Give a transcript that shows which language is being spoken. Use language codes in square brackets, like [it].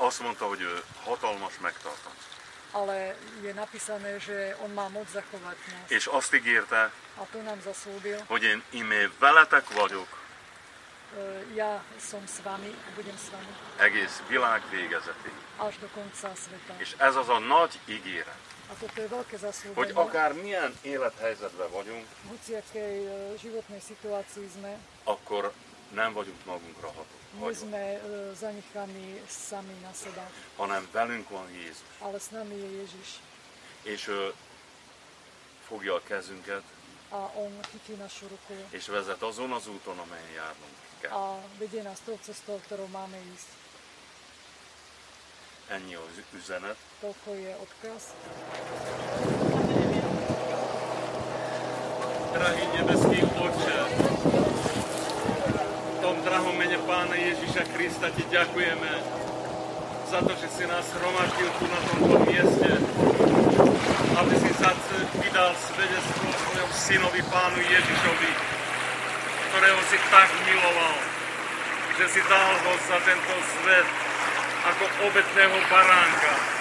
[hu] De azt mondta, hogy hatalmas megtartom. [sk] Ale je napísané, že on má moc zachovať nás. [hu] És azt ígérte, [sk] a to nám zaslúbil, [hu] hogy én imé veletek vagyok. [sk] Ja som s vami, budem s vami. [hu] Egész világ végezetén. [sk] Až do konca sveta. [hu] És ez az a nagy ígéret. [sk] A toto je veľké zaslúbenie. [hu] Hogy akár milyen élethelyzetben vagyunk, [sk] hociakej životnej situácii sme, [hu] akkor nem vagyunk magunkra hatók. [sk] My sme zanechaní sami na seba. [hu] Hanem velünk van Jézus. [sk] Ale s nami je Ježiš. [hu] És ő fogja a kezünket. [sk] A on chytí našu ruku. [hu] És vezet azon az úton, amelyen járnunk kell. [sk] A vedie nás tou cestou, ktorou máme ísť. [hu] Ennyi az üzenet. [sk] Toľko je odkaz. Drahý nebeský Otče, v tom drahom mene Pána Ježiša Krista ti ďakujeme za to, že si nás hromadil tu na tomto mieste, aby si sa vydal svedectvo svojom synovi Pánu Ježišovi, ktorého si tak miloval, že si dal ho za tento svet ako obetného baránka.